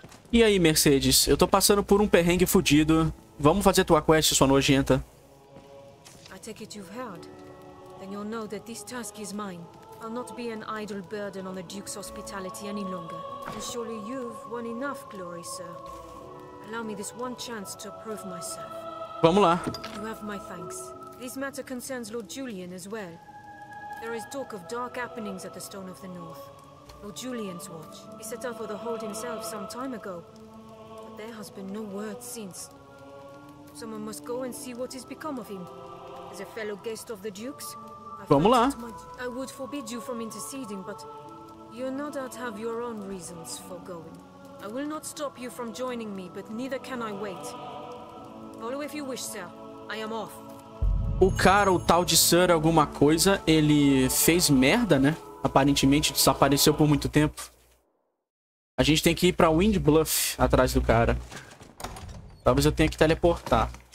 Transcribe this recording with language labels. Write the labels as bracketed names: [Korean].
[Portuguese] E aí, Mercedes? Eu tô passando por um perrengue fudido. Vamos fazer tua quest, sua nojenta. [English] I take it you've heard. Then you'll know that this task is mine. I'll not be an idle burden on the Duke's hospitality any longer. And surely you've won enough glory, sir. Allow me this one chance to prove myself. [Portuguese] Vamos lá. [English] You have my thanks. This matter concerns Lord Julian as well. There is talk of dark happenings at the Stone of the North. Lord Julian's watch. He set out for the hold himself some time ago. But there has been no word since. Someone must go and see what has become of him. As a fellow guest of the Duke's, [Portuguese] vamos lá. [English] I would forbid you from interceding, but you no doubt have your own reasons for going. I will not stop you from joining me, but neither can I wait. Follow if you wish, sir. I am off. [Portuguese] O cara, o tal de Sir alguma coisa, ele fez merda, né? Aparentemente desapareceu por muito tempo. A gente tem que ir pra Windbluff atrás do cara. Talvez eu tenha que teleportar.